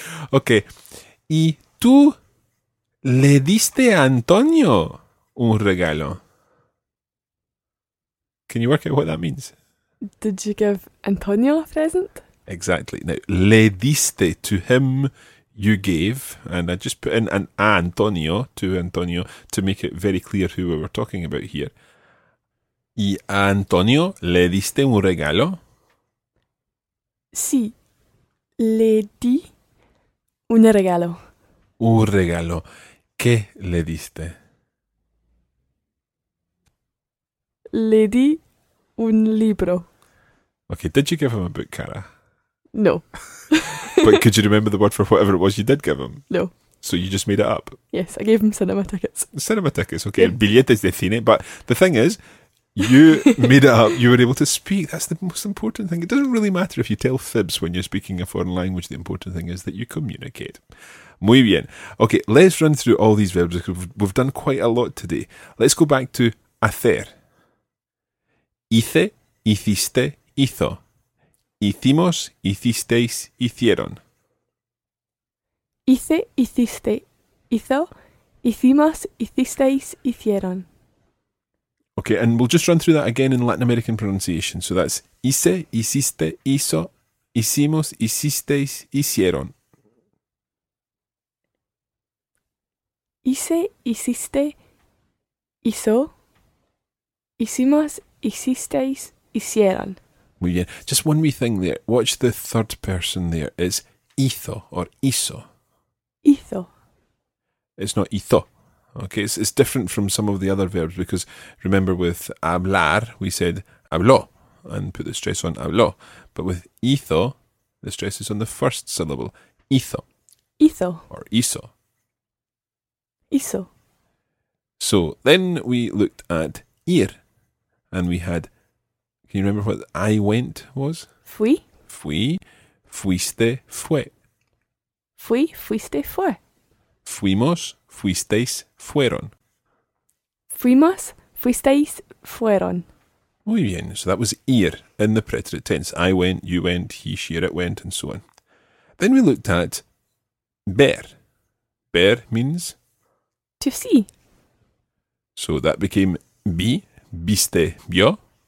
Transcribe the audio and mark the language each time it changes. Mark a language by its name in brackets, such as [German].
[Spanish] Ok, ¿y tú le diste a Antonio un regalo? [English] Can you work out what that means? Did you give Antonio a present? Exactly. Now, le diste, to him you gave, and I just put in an a Antonio, to Antonio, to make it very clear who we were talking about here. [Spanish] ¿Y a Antonio le diste un regalo? Sí, le di un regalo. Un regalo. ¿Qué le diste? Le di un libro. [English] Okay, did you give him a book, Cara? No. But could you remember the word for whatever it was you did give him? No. So you just made it up? Yes, I gave him cinema tickets. Cinema tickets, okay. Yeah. [Spanish] Billetes de cine. [English] But the thing is, you made it up. You were able to speak. That's the most important thing. It doesn't really matter if you tell fibs when you're speaking a foreign language. The important thing is that you communicate. [Spanish] Muy bien. [English] Okay, let's run through all these verbs. We've done quite a lot today. Let's go back to hacer. [Spanish] Hice, hiciste, hizo. Hicimos, hicisteis, hicieron. Hice, hiciste, hizo. Hicimos, hicisteis, hicieron. [English] Okay, and we'll just run through that again in Latin American pronunciation. So that's [Spanish] hice, hiciste, hizo, hicimos, hicisteis, hicieron. Hice, hiciste, hizo, hicimos, hicisteis, hicieron. Muy bien. [English] Just one wee thing there. Watch the third person there. It's hizo or hizo. [Spanish] Hizo. [English] It's not hizo. Okay, it's different from some of the other verbs because remember with hablar, we said habló and put the stress on habló. But with hizo, the stress is on the first syllable. [Spanish] Hizo. Hizo. Or hizo. Hizo. [English] So then we looked at ir and we had, can you remember what I went was? [Spanish] Fui. Fui. Fuiste. Fue. Fui. Fuiste. Fue. Fuimos. Fuisteis, fueron. Fuimos, fuisteis, fueron. Muy bien. [English] So that was ir in the preterite tense. I went, you went, he, she, it went, and so on. Then we looked at ver. Ver means? To see. So that became vi, viste, vio.